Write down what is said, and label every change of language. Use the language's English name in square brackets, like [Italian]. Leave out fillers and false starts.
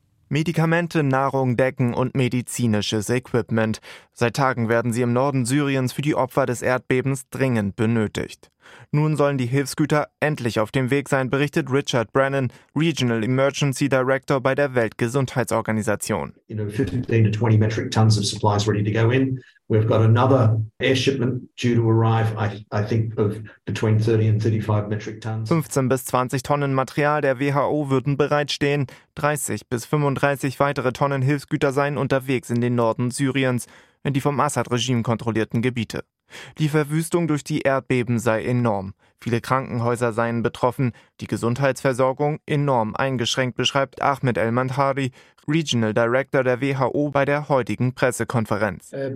[German] Medikamente, Nahrung, Decken und medizinisches Equipment. Seit Tagen werden sie im Norden Syriens für die Opfer des Erdbebens dringend benötigt. Nun sollen die Hilfsgüter endlich auf dem Weg sein, berichtet Richard Brennan, Regional Emergency Director bei der Weltgesundheitsorganisation. [English] 15 to 20 metric tons of supplies ready to go in. We've got another air shipment due to arrive, I think of between 30 and 35 metric tons. [German] 15 bis 20 Tonnen Material der WHO würden bereitstehen. 30 bis 35 weitere Tonnen Hilfsgüter seien unterwegs in den Norden Syriens, in die vom Assad-Regime kontrollierten Gebiete. Die Verwüstung durch die Erdbeben sei enorm. Viele Krankenhäuser seien betroffen, die Gesundheitsversorgung enorm eingeschränkt, beschreibt Ahmed El-Mandhari, Regional Director der WHO, bei der heutigen Pressekonferenz.